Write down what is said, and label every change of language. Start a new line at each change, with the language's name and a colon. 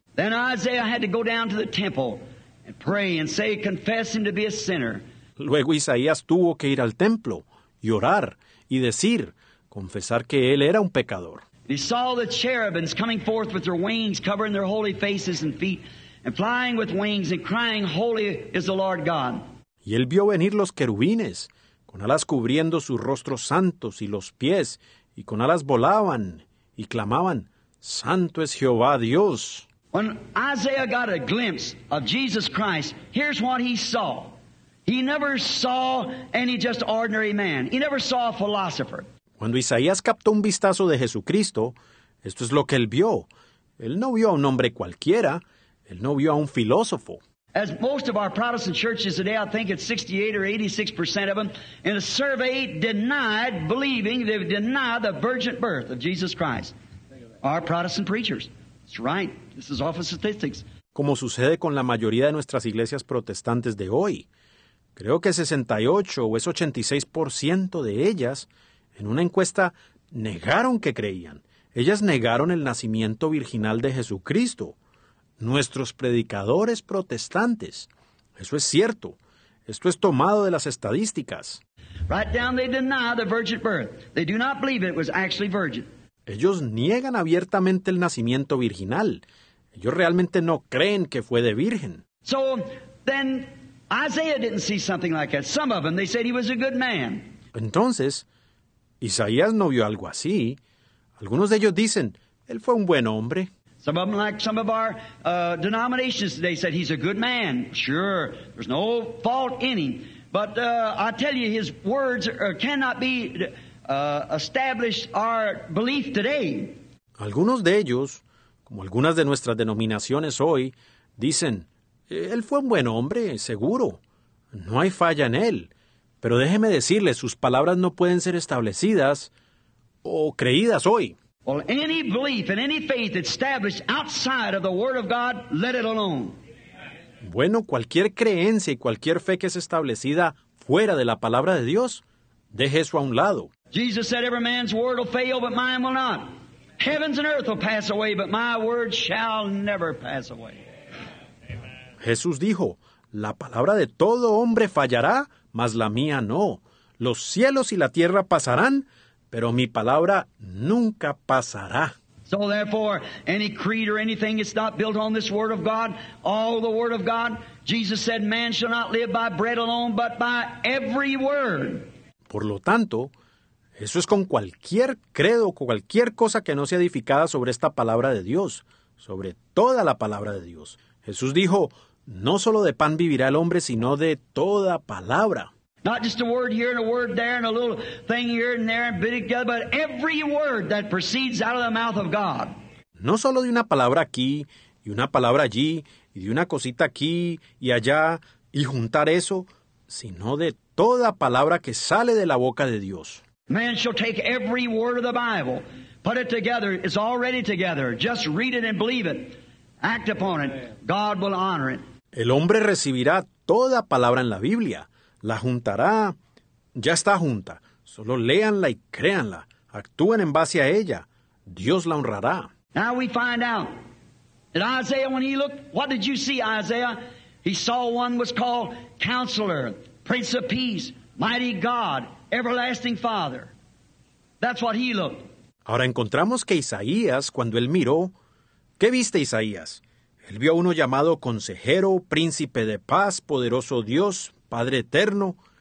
English: Then Isaiah had to go down to the temple and pray and say, confess him to be a sinner.
Spanish: Luego Isaías tuvo que ir al templo y orar y decir, confesar que él era un pecador.
English: He saw the cherubims coming forth with their wings covering their holy faces and feet and flying with wings and crying, holy is the Lord God.
Spanish: Y él vio venir los querubines con alas cubriendo sus rostros santos y los pies y con alas volaban y clamaban, santo es Jehová Dios.
English: When Isaiah got a glimpse of Jesus Christ, here's what he saw. He never saw any just ordinary man. He never saw a philosopher.
Spanish: Cuando Isaías captó un vistazo de Jesucristo, esto es lo que él vio. Él no vio a un hombre cualquiera. Él no vio a un filósofo.
English: As most of our Protestant churches today, I think it's 68 or 86% of them, in a survey denied believing, they denied the virgin birth of Jesus Christ. Our Protestant preachers. That's right. This is off of statistics.
Spanish: Como sucede con la mayoría de nuestras iglesias protestantes de hoy, creo que 68 o es 86% de ellas en una encuesta negaron que creían. Ellas negaron el nacimiento virginal de Jesucristo. Nuestros predicadores protestantes. Eso es cierto. Esto es tomado de las estadísticas.
English: Right down, they deny the virgin birth. They do not believe it was actually virgin.
Spanish: Ellos niegan abiertamente el nacimiento virginal. Ellos realmente no creen que fue de virgen.
English: So, then, Isaiah didn't see something like that. Some of them, they said he was a good man.
Spanish: Entonces, Isaías no vio algo así. Algunos de ellos dicen, él fue un buen hombre.
English: Some of them, like some of our denominations today, said he's a good man. Sure, there's no fault in him. But I tell you, his words cannot be... establish our belief today.
Spanish: Algunos de ellos, como algunas de nuestras denominaciones hoy, dicen, él fue un buen hombre, seguro. No hay falla en él. Pero déjeme decirle, sus palabras no pueden ser establecidas o creídas hoy.
English: Well, any belief and any faith established outside of the Word of God, let it alone.
Spanish: Bueno, cualquier creencia y cualquier fe que es establecida fuera de la palabra de Dios, deje eso a un lado.
English: Jesus said, every man's word will fail, but mine will not. Heavens and earth will pass away, but my word shall never pass away.
Spanish: Jesús dijo, la palabra de todo hombre fallará, mas la mía no. Los cielos y la tierra pasarán, pero mi palabra nunca pasará.
English: So therefore, any creed or anything is not built on this word of God, all the word of God. Jesus said, man shall not live by bread alone, but by every word.
Spanish: Por lo tanto, eso es con cualquier credo, con cualquier cosa que no sea edificada sobre esta palabra de Dios, sobre toda la palabra de Dios. Jesús dijo, no solo de pan vivirá el hombre, sino de toda palabra.
English: Not just a word here and a word there and a little thing here and there and bit together, but every word that proceeds out of the mouth of God.
Spanish: No solo de una palabra aquí y una palabra allí y de una cosita aquí y allá y juntar eso, sino de toda palabra que sale de la boca de Dios.
English: Man shall take every word of the Bible, put it together, it's already together, just read it and believe it, act upon it, God will honor it.
Spanish: El hombre recibirá toda palabra en la Biblia, la juntará, ya está junta, solo léanla y créanla, actúen en base a ella, Dios la honrará.
English: Now we find out, that Isaiah, when he looked, what did you see, Isaiah? He saw one was called Counselor, Prince of Peace, Mighty God, Everlasting Father. That's what he looked.
Spanish: Ahora encontramos que Isaías, cuando él miró, ¿qué viste Isaías? Él vio a uno llamado Consejero, Príncipe de Paz, Poderoso Dios, Padre Eterno.